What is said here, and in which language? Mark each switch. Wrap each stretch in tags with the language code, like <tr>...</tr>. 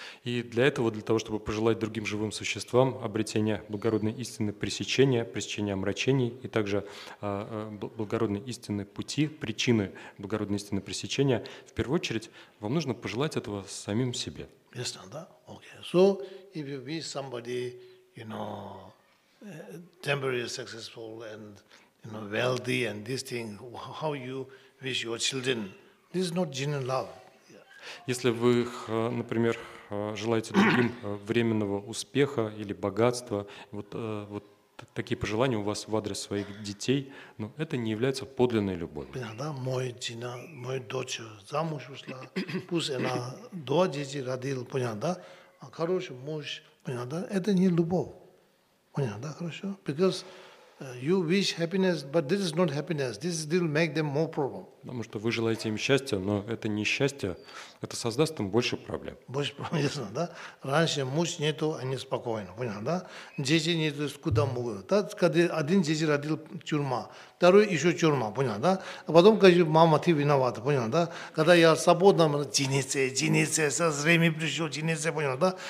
<ru>И для этого, для того, чтобы пожелать другим живым существам обретения благородной истины пресечения, пресечения омрачений, и также благородной истины пути, причины благородной истины пресечения, в первую очередь, вам нужно пожелать этого самим себе. Ясно, да? Okay.</ru> <en>So, if you wish somebody, you know, temporarily successful and, you know, wealthy and this thing, how you wish your children, this is not genuine love.</en> <ru>Если вы, например, желаете другим временного успеха или богатства, вот такие пожелания у вас в адрес своих детей, но это не является подлинной любовью. Понятно, да? Моя дочь замуж ушла, пусть она два детей родила, понятно, да? А хороший муж, понятно, да? Это не любовь, понятно, да? Хорошо?</ru> <en>Because you wish happiness, but this is not happiness. This will make them more problem.</en> <ru>Потому что вы желаете им счастья, но это не счастье. Это создаст им больше проблем. Больше проблем, ясно, да? Раньше муж нету, они спокойны, понятно, да? Дети нету, куда могут. Так, когда один дети родил тюрьма, второй еще тюрьма, понятно, да? А потом, говорит, мама, ты виновата, понятно, да? Когда я свободна, Денисе, со зрением пришел, Денисе, понятно, да?</ru>